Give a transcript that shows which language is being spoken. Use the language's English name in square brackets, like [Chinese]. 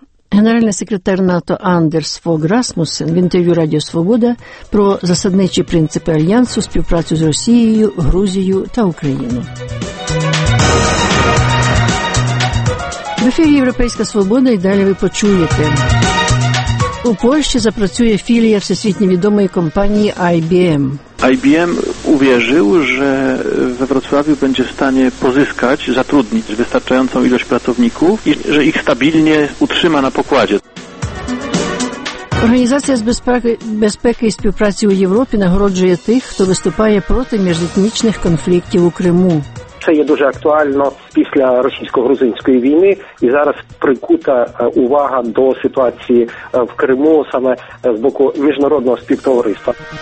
[Ukrainian] Генеральний секретар НАТО Андерс Фог Расмусен в інтерв'ю Радіо Свобода про засадничі принципи Альянсу, співпрацю з Росією, Грузією та Україною. В ефірі «Європейська свобода» і далі ви почуєте. У Польщі запрацює філія всесвітньо відомої компанії IBM. [Polish] IBM uwierzył, że we Wrocławiu będzie w stanie pozyskać, zatrudnić wystarczającą ilość pracowników i że ich stabilnie utrzyma na pokładzie. [Ukrainian] Організація з безпеки і співпраці у Європі нагороджує тих, хто виступає проти міжетнічних конфліктів у Криму. Це є дуже актуально після російсько-грузинської війни, і зараз прикута увага до ситуації в Криму саме з боку міжнародного співтовариства.